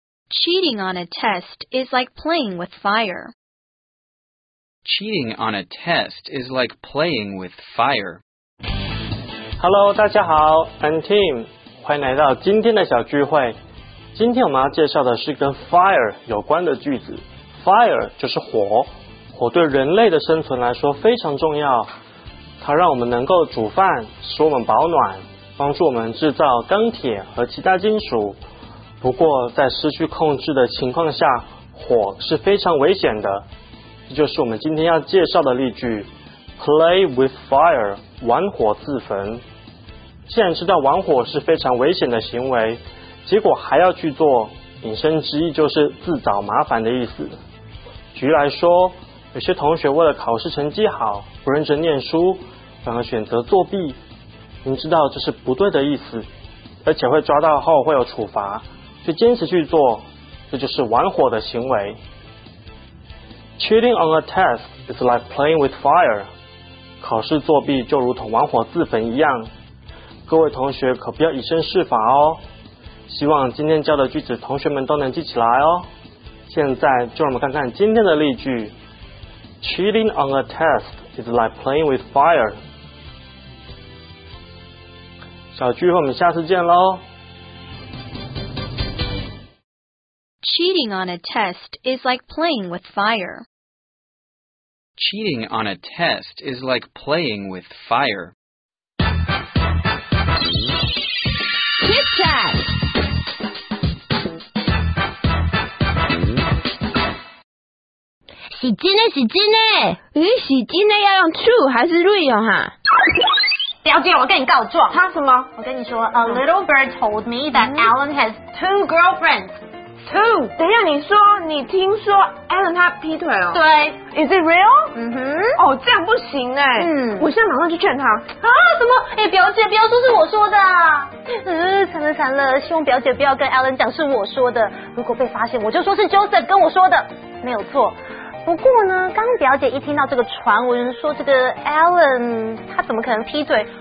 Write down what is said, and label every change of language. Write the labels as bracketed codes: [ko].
[en] Cheating on a test is like playing with fire. Cheating on a test is like playing with fire. Hello, [zh] 大家好 , [en] I'm Tim, [zh] 欢迎来到今天的小聚会。今天我们要介绍的是跟 fire 有关的句子。 Fire 就是火，火对人类的生存来说非常重要。它让我们能够煮饭，使我们保暖，帮助我们制造钢铁和其他金属。不过在失去控制的情况下，火是非常危险的。这就是我们今天要介绍的例句 [en] Play with fire， [zh] 玩火自焚。既然知道玩火是非常危险的行为，结果还要去做，引申之意就是自找麻烦的意思。举例来说，有些同学为了考试成绩好，不认真念书，反而选择作弊。您知道这是不对的意思，而且会抓到后会有处罚，却坚持去做，这就是玩火的行为。 [en] Cheating on a test is like playing with fire. [zh] 考试作弊就如同玩火自焚一样。各位同学可不要以身试法哦。希望今天教的句子同学们都能记起来哦。现在就让我们看看今天的例句。 [en] Cheating on a test is like playing with fire. [zh] 小聚会我们下次见咯。 [en] Cheating on a test is like playing with fire. Cheating on a test is like playing with fire. Kit Kat! Shijine, Shijine! [zh] 咦 ,Shijine 要用 true 还是 real 哈？表姐，我跟你告状。他什么？我跟你说 [en] ，A little bird told me that Alan has two girlfriends. Two. [zh] 等一下，你说你听说 Alan 他劈腿哦？对 [en] ，Is it real？嗯哼， [zh] 哦，这样不行哎。嗯，我现在马上去劝他。啊？什么？哎，表姐，不要说是我说的。惨了惨了，希望表姐不要跟 Alan 讲是我说的。如果被发现，我就说是 Joseph 跟我说的，没有错。不过呢，刚表姐一听到这个传闻，说这个 Alan 他怎么可能劈腿？